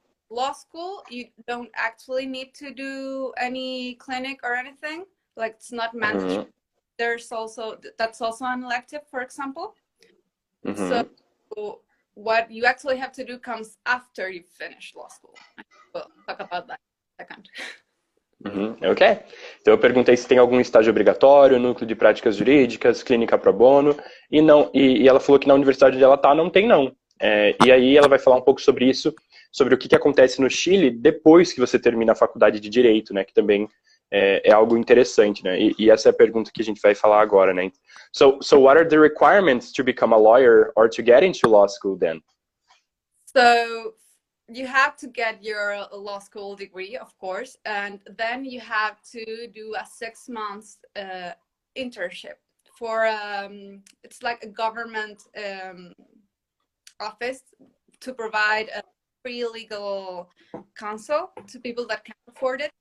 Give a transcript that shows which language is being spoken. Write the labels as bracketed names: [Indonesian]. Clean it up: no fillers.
[English] law school, you don't actually need to do any clinic or anything. Like, it's not mandatory. Mm-hmm. That's also an elective, for example. Mm-hmm. So, what you actually have to do comes after you finish law school. We'll talk about that in a second. Mm-hmm. Okay. [Portuguese] Então, eu perguntei se tem algum estágio obrigatório, núcleo de práticas jurídicas, clínica pro bono, e não. E ela falou que na universidade dela tá, não tem, não. E aí, ela vai falar um pouco sobre isso, sobre o que acontece no Chile depois que você termina a faculdade de Direito, né, que também... é algo interessante, né? E essa é a pergunta que a gente vai falar agora, né? [English] So what are the requirements to become a lawyer or to get into law school then? So, you have to get your law school degree, of course, and then you have to do a 6-month internship for it's like a government office to provide a free legal counsel to people that can't afford it.